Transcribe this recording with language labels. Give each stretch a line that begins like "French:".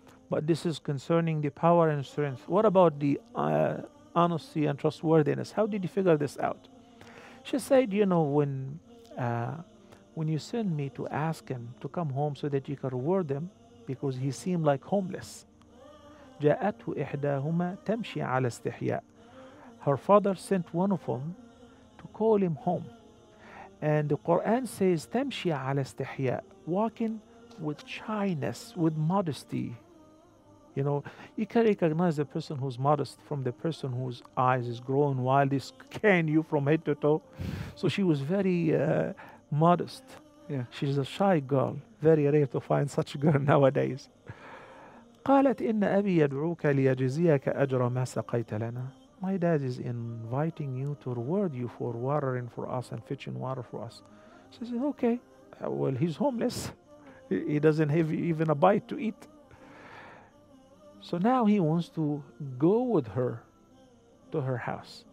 English: But this is concerning the power and strength. What about the honesty and trustworthiness? How did you figure this out? She said, you know, when you send me to ask him to come home so that you can reward him, because he seemed like homeless.
Arabic: جاءته إحداهما تمشي على استحياء.
English: Her father sent one of them to call him home. And the Quran says,
Arabic: تمشي على استحياء,
English: walking with shyness, with modesty. You know, you can recognize the person who's modest from the person whose eyes is growing wild, is scanning you from head to toe. So she was very modest. Yeah. She's a shy girl. Very rare to find such a girl nowadays.
Arabic: قالت إن أبي يدعوك ليجزيك أجر ما سقيت لنا.
English: My dad is inviting you to reward you for watering for us and fetching water for us. She says, okay. Well, he's homeless. He doesn't have even a bite to eat. So now he wants to go with her to her house.